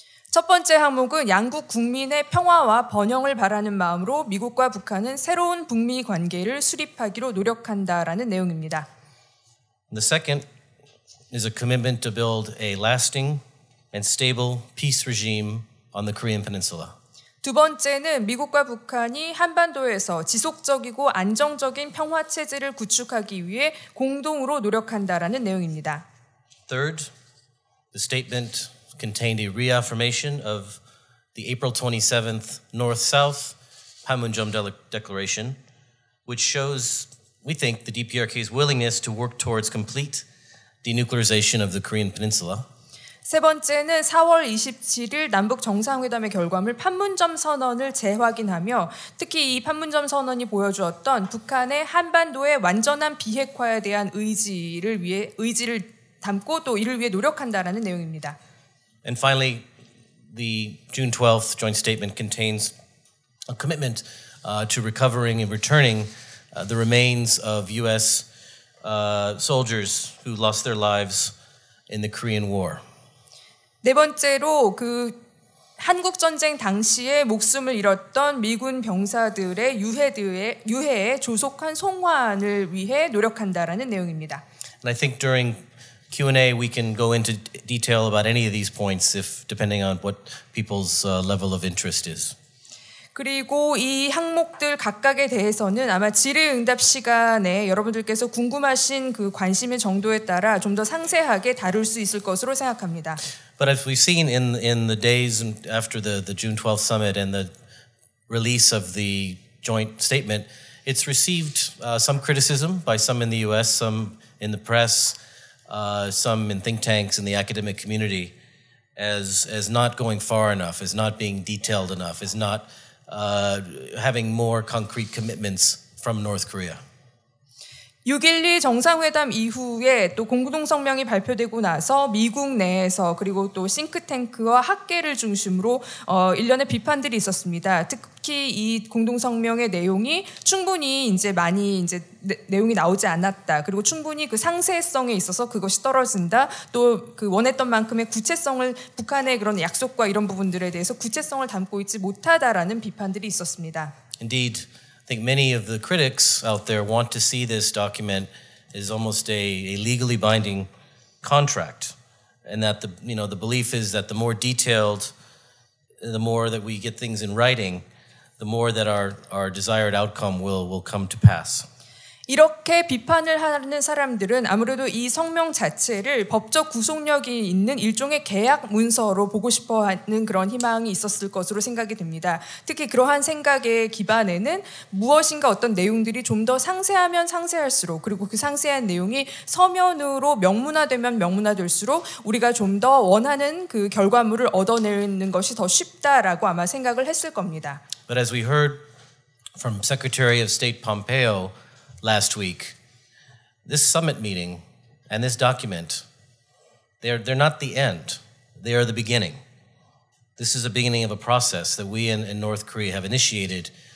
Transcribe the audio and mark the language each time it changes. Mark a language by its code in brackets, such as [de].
[ko] 첫 번째 항목은 양국 국민의 평화와 번영을 바라는 마음으로 미국과 북한은 새로운 북미 관계를 수립하기로 노력한다라는 내용입니다. [en] The second is a commitment to build a lasting and stable peace regime on the Korean Peninsula. [ko] 두 번째는 미국과 북한이 한반도에서 지속적이고 안정적인 평화 체제를 구축하기 위해 공동으로 노력한다라는 내용입니다. [en] Third, the statement contained a reaffirmation of the April 27th North-South Panmunjom Declaration, which shows We think the DPRK's willingness to work towards complete denuclearization of the Korean Peninsula. [ko] 세 번째는 4월 27일 남북 정상회담의 결과물 판문점 선언을 재확인하며 특히 이 판문점 선언이 보여주었던 북한의 한반도의 완전한 비핵화에 대한 의지를 담고 또 이를 위해 노력한다라는 내용입니다. [en] And finally, the June 12th joint statement contains a commitment to recovering and returning the remains of U.S. Soldiers who lost their lives in the Korean War. [ko] 네 번째로 그 한국 전쟁 당시에 목숨을 잃었던 미군 병사들의 유해에 조속한 송환을 위해 노력한다라는 내용입니다. [en] And I think during Q&A we can go into detail about any of these points if depending on what people's level of interest is. [ko] 그리고 이 항목들 각각에 대해서는 아마 질의응답 시간에 여러분들께서 궁금하신 그 관심의 정도에 따라 좀 더 상세하게 다룰 수 있을 것으로 생각합니다. [en] But as we've seen in the days after the June 12th summit and the release of the joint statement, it's received some criticism by some in the U.S., some in the press, some in think tanks in the academic community as not going far enough, as not being detailed enough, as not having more concrete commitments from North Korea. [ko] 6.12 정상회담 이후에 또 공동성명이 발표되고 나서 미국 내에서 그리고 또 싱크탱크와 학계를 중심으로 일련의 비판들이 있었습니다. 특히 이 공동성명의 내용이 충분히 이제 많이 이제 내용이 나오지 않았다. 그리고 충분히 그 상세성에 있어서 그것이 떨어진다. 또 그 원했던 만큼의 구체성을 북한의 그런 약속과 이런 부분들에 대해서 구체성을 담고 있지 못하다라는 비판들이 있었습니다. [en] Indeed. I think many of the critics out there want to see this document as almost a legally binding contract, and that the you know the belief is that the more detailed, the more that we get things in writing, the more that our desired outcome will come to pass. [ko] 이렇게 비판을 하는 사람들은 아무래도 이 성명 자체를 법적 구속력이 있는 일종의 계약 문서로 보고 싶어하는 그런 희망이 있었을 것으로 생각이 됩니다. 특히 그러한 생각의 기반에는 무엇인가 어떤 내용들이 좀 더 상세하면 상세할수록 그리고 그 상세한 내용이 서면으로 명문화되면 명문화될수록 우리가 좀 더 원하는 그 결과물을 얻어내는 것이 더 쉽다라고 아마 생각을 했을 겁니다. [en] But as we heard from Secretary of State Pompeo, last week, this summit meeting and this document, they're not the end. They are the beginning. This is the beginning of a process that we in North Korea have initiated.